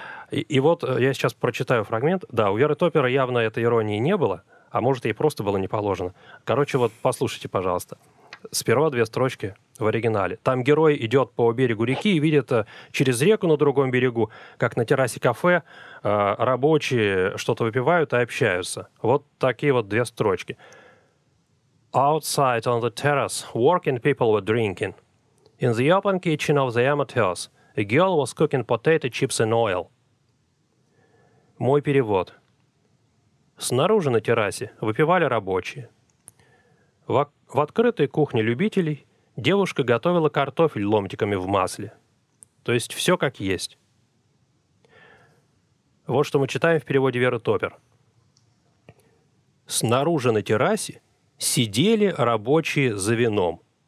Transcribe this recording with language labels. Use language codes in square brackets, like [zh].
[ru] И вот я сейчас прочитаю фрагмент. Да, у Веры Топпера явно этой иронии не было, а может, ей просто было не положено. Короче, вот послушайте, пожалуйста. Сперва две строчки в оригинале. Там герой идет по берегу реки и видит через реку на другом берегу, как на террасе кафе рабочие что-то выпивают и общаются. Вот такие вот две строчки. [en] Outside on the terrace, working people were drinking. In the open kitchen of the amateurs, a girl was cooking potato chips and oil. [ru] Мой перевод. Снаружи на террасе выпивали рабочие. В открытой кухне любителей девушка готовила картофель ломтиками в масле. То есть все как есть. Вот что мы читаем в переводе Веры Топпер. Снаружи на террасе сидели рабочие за вином.